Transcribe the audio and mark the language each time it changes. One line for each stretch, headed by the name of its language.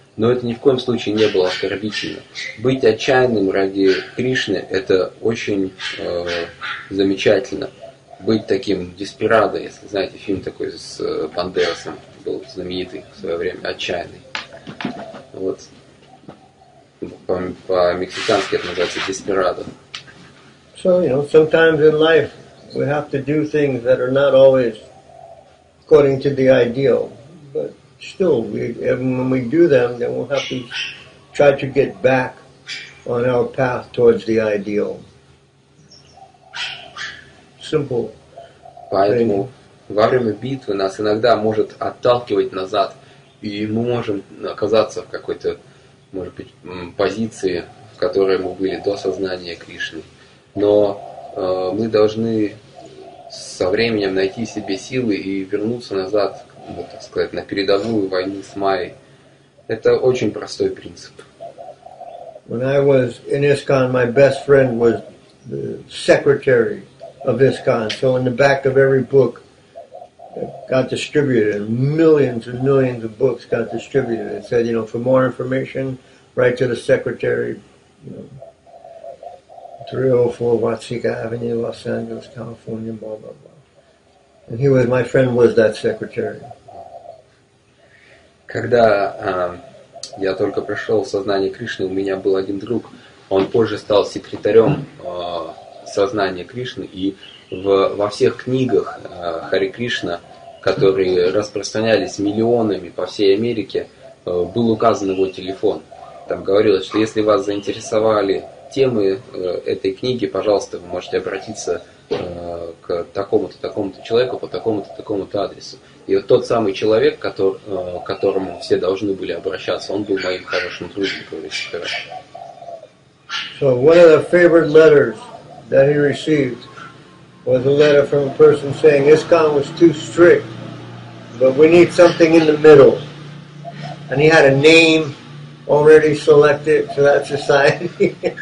Russian: Но это ни в коем случае не было оскорбительно. Быть отчаянным ради Кришны – это очень замечательно. Быть таким деспирадо, если знаете, фильм такой с Бандерасом, был знаменитый в свое время, отчаянный. Вот. По-мексикански это называется desperado.
English: So, you know, sometimes in life we have to do things that are not always according to the ideal. But still, when we do them, then we'll have to try to get back on our path towards the ideal. Simple.
Russian: Поэтому во время битвы нас иногда может отталкивать назад, и мы можем оказаться в какой-то, может быть, позиции, в которой мы были до сознания Кришны. Но мы должны со временем найти себе силы и вернуться назад вот, так сказать, на передовую войны с Майей. Это очень простой принцип.
English: When I was in ISKCON, my best friend was the secretary of ISKCON. So in the back of every book got distributed, and millions of books got distributed. It said, you know, for more information, write to the secretary, you know, 304 Watsika Avenue, Los Angeles, California, blah, blah, blah. And he was, my friend was that secretary.
Russian: Когда я только пришел в сознание Кришны, у меня был один друг, он позже стал секретарем сознания Кришны, и во всех книгах Хари Кришна, которые распространялись миллионами по всей Америке, был указан его телефон. Там говорилось, что если вас заинтересовали темы этой книги, пожалуйста, вы можете обратиться к такому-то человеку по такому-то адресу. И вот тот самый человек, к которому все должны были обращаться, он был моим хорошим другом, говорит Шихара.
English: So one of the favorite letters that he received was a letter from a person saying, ISKCON was too strict, but we need something in the middle. And he had a name already selected for that society.